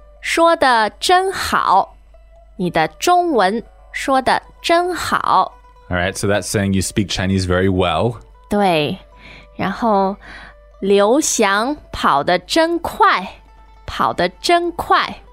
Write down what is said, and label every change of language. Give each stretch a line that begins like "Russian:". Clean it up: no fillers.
Chinese: 说的真好，你的中文说的真好。
English: Alright, so that's saying you speak Chinese very well.
Chinese: 对，然后刘翔跑得真快，跑得真快。